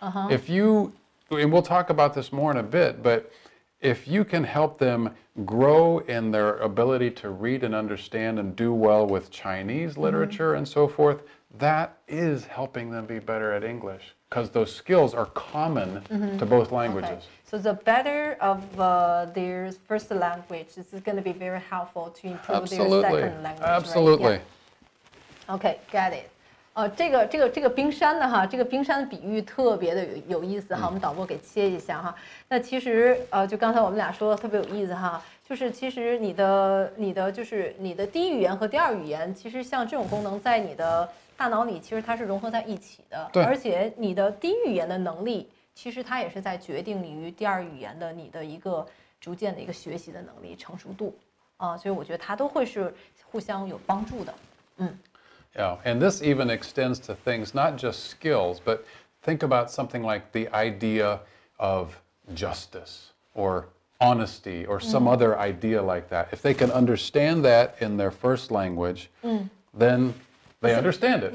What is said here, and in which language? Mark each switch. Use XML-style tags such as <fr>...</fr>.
<en>If you, and we'll talk about this more in a bit, butIf you can help them grow in their ability to read and understand and do well with Chinese literature and so forth, that is helping them be better at English because those skills are common to both languages. Okay. So the better of their first language is going to be very helpful to improve Absolutely. Their second language. Absolutely. Absolutely. Right? Yeah. Okay, got it.</en> <zh>这个冰山的哈，这个冰山的比喻特别的有意思哈，我们导播给切一下哈。那其实就刚才我们俩说的特别有意思哈，就是其实你的就是你的第一语言和第二语言，其实像这种功能在你的大脑里其实它是融合在一起的，对，而且你的第一语言的能力其实它也是在决定你于第二语言的你的一个逐渐的一个学习的能力成熟度啊，所以我觉得它都会是互相有帮助的，</zh> <en>Yeah, and this even extends to things, not just skills, but think about something like the idea of justice or honesty or some other idea like that. If they can understand that in their first language, then they understand it.</en>